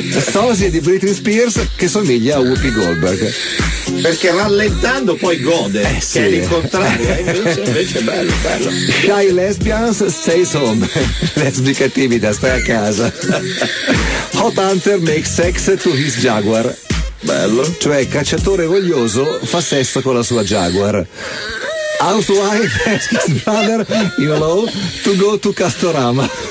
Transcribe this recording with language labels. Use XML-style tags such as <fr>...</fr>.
<it>Sosie di Britney Spears che somiglia a Whoopi Goldberg. Perché rallentando poi gode, che è l'incontrario. Invece è bello.</it> <en>Shy lesbians stay home.</en> <it>Lesbica timida, stai a casa.</it> <en>Hot Hunter makes sex to his Jaguar.</en> <it>Bello. Cioè, cacciatore voglioso fa sesso con la sua Jaguar.</it> <en>Housewife asks brother in law to go to Castorama.</en>